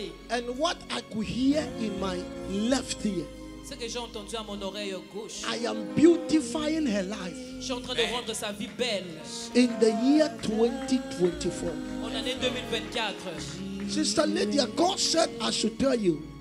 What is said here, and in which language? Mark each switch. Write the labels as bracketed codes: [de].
[en] And what I could hear in my left ear. [fr] Ce que j'ai entendu à mon oreille gauche. [en] I am beautifying her life. [fr] Je suis en train de rendre sa vie belle. [en] In the year 2024. [fr] En année 2024. [en] Sister Lydia, God said I should tell you.